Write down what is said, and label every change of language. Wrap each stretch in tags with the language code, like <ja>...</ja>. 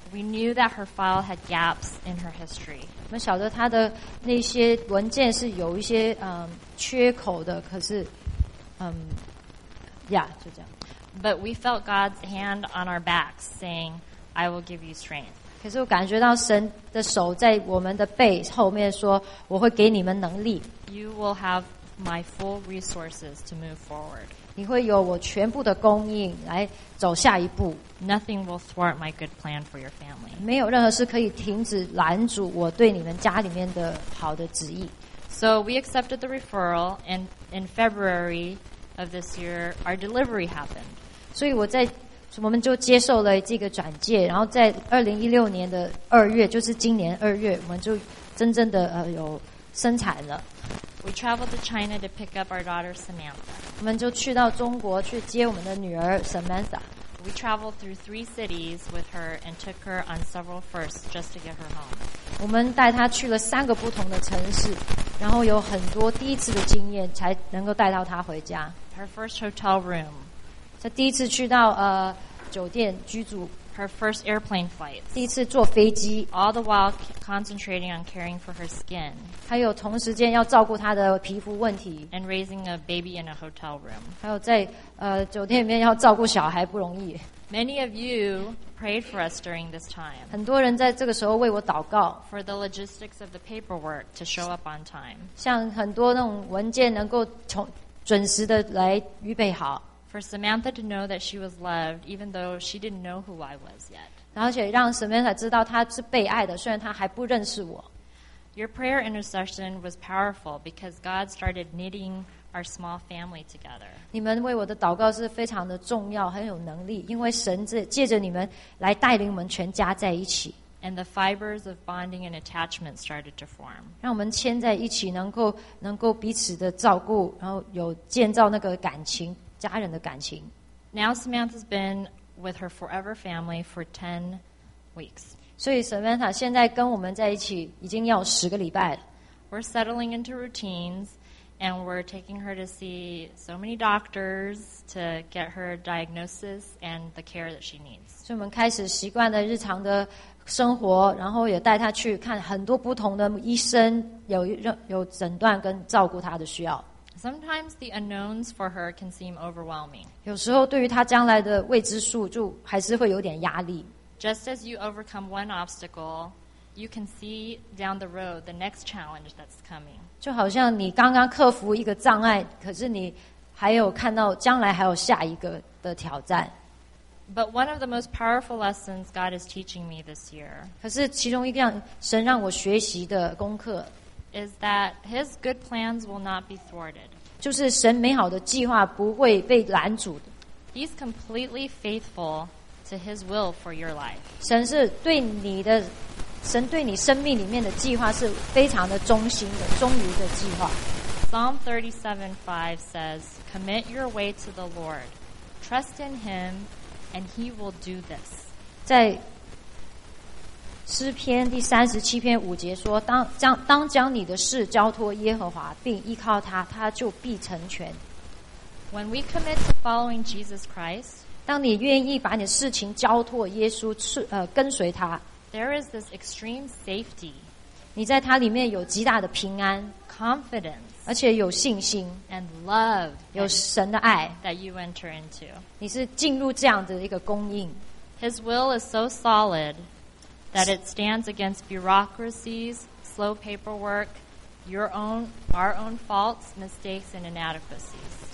<en>We knew that her file had gaps in her history.</en> <zh>我们晓得她的那些文件是有一些缺口的，可是就这样。</zh> <en>But we felt God's hand on our backs, saying, "I will give you strength."</en> <zh>可是我感觉到神的手在我们的背后面说，我会给你们能力。</zh> <en>You will have my full resources to move forward.</en> <zh>你会有我全部的供应来走下一步。</zh> <en>Nothing will thwart my good plan for your family.</en> <zh>没有任何事可以停止拦阻我对你们家里面的好的旨意。</zh> <en>So we accepted the referral, and in February. Of this year, our delivery happened.</en> <zh>所以我们就接受了这个转介，然后在2016年的二月，就是今年二月，我们就真正的有生产了。</zh> <en>We traveled to China to pick up our daughter Samantha.</en> <zh>我们就去到中国去接我们的女儿 Samantha.</zh> <en>We traveled through three cities with her and took her on several firsts just to get her home.</en> <zh>我们带她去了三个不同的城市。然后有很多第一次的经验才能够带到她回家。</zh> <en>Her first hotel room.</en> <zh>她第一次去到酒店居住。</zh> <en>Her first airplane flight.</en> <zh>第一次坐飞机。</zh> <en>All the while concentrating on caring for her skin.</en> <zh>还有同时间要照顾她的皮肤问题。</zh> <en>And raising a baby in a hotel room.</en> <zh>还有在酒店里面要照顾小孩不容易。</zh> <en>Many of you prayed for us during this time.</en> <zh>很多人在这个时候为我祷告。</zh> <en>For the logistics of the paperwork to show up on time.</en> <zh>像很多那种文件能够准时的来预备好。</zh> <en>For Samantha to know that she was loved, even though she didn't know who I was yet.</en> <zh>而且让 Samantha 知道她是被爱的，虽然她还不认识我。</zh> <en>Your prayer intercession was powerful because God started knitting our small family together.</en> <zh>你们为我的祷告是非常的重要，很有能力，因为神借着你们来带领我们全家在一起。</zh> <en>And the fibers of bonding and attachment started to form.</en> <zh>让我们牵在一起，能够彼此的照顾，然后有建造那个感情，家人的感情。</zh> <en>Now Samantha's been with her forever family for 10 weeks.</en> <zh>所以 Samantha 现在跟我们在一起已经要十个礼拜了。</zh> <en>We're settling into routines. And we're taking her to see so many doctors to get her diagnosis and the care that she needs.</en> <zh>所以我们开始习惯了日常的生活，然后也带她去看很多不同的医生，有诊断跟照顾她的需要。</zh> <en>Sometimes the unknowns for her can seem overwhelming.</en> <zh>有时候对于她将来的未知数就还是会有点压力。</zh> <en>Just as you overcome one obstacle, you can see down the road the next challenge that's coming.</en> <zh>就好像你刚刚克服一个障碍，可是你还有看到将来还有下一个的挑战。</zh> <en>But one of the most powerful lessons God is teaching me this year.</en> <zh>可是其中一样神让我学习的功课</zh> <en>is that His good plans will not be thwarted.</en> <zh>就是神美好的计划不会被拦阻的。</zh> <en>He's completely faithful to His will for your life.</en> <zh>神对你生命里面的计划是非常的忠心的，忠于的计划。</zh> <en>Psalm 37:5 says, "Commit your way to the Lord, trust in Him, and He will do this."</en> <zh>在诗篇第三十七篇五节说，当将你的事交托耶和华，并依靠他，他就必成全。</zh> <en>When we commit to following Jesus Christ,</en> <zh>当你愿意把你的事情交托耶稣，跟随他。</zh> <en>There is this extreme safety.</en> <zh>你在它里面有极大的平安</zh> <en>confidence,</en> <zh>而且有信心</zh> <en>and love,</en> <zh>有神的爱</zh> <en>that you enter into.</en> <zh>你是进入这样的一个供应</zh> <en>His will is so solid that it stands against bureaucracies, slow paperwork, our own faults, mistakes, and inadequacies.</en>